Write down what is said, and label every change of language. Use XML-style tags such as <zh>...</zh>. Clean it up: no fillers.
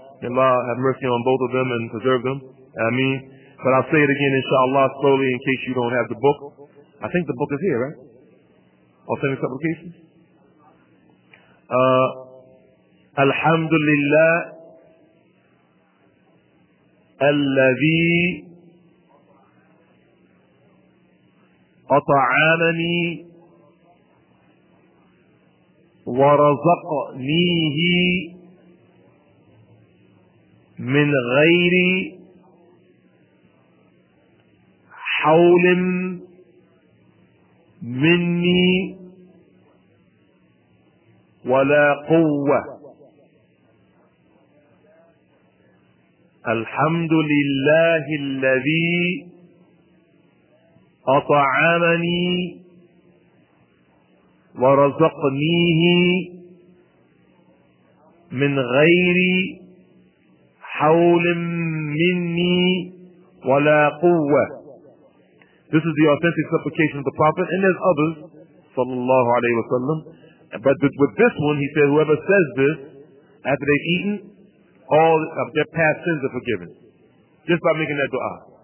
<en>May Allah have mercy on both of them and preserve them. Ameen. But I'll say it again, inshallah, slowly in case you don't have the book. I think the book is here, right? Authentic supplication?</en> <ar>Alhamdulillah, alladhi أطعمني ورزقنيه من غير حول مني ولا قوة الحمد لله الذي أطعمني ورزقنيه من غير حول مني ولا قوة.</ar> <en>This is the authentic supplication of the Prophet, and there's others, sallallahu alayhi wa sallam. But with this one, he said, whoever says this, after they've eaten, all of their past sins are forgiven. Just by making that dua.</en>